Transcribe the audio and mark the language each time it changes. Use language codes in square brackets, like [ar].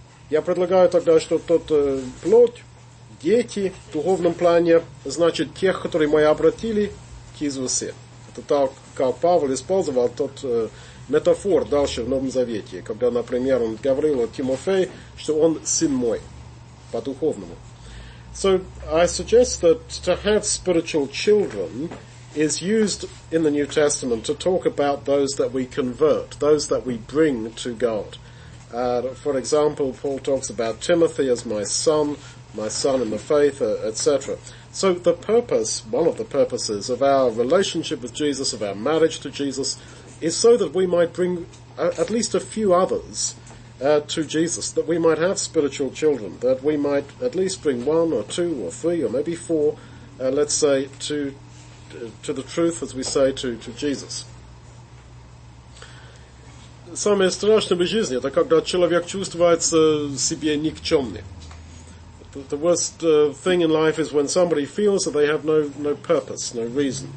[ru] Я предлагаю тогда, что тот плод, дети в духовном плане, значит, тех, которые мы обратили к Иисусу. Это так, как Павел использовал тот метафор дальше в Новом Завете, когда, например, он говорил о Тимофее, что он сын мой, по-духовному. [en] So I suggest that to have spiritual children is used in the New Testament to talk about those that we convert, those that we bring to God. For example, Paul talks about Timothy as my son in the faith, etc. So the purpose, one of the purposes of our relationship with Jesus, of our marriage to Jesus, is so that we might bring at least a few others to Jesus, that we might have spiritual children, that we might at least bring one or two or three or maybe four, let's say, to the truth, as we say, to Jesus. [ru] Самое страшное в жизни, это когда человек чувствует себя никчемным. [en] The worst thing in life is when somebody feels that they have no purpose, no reason.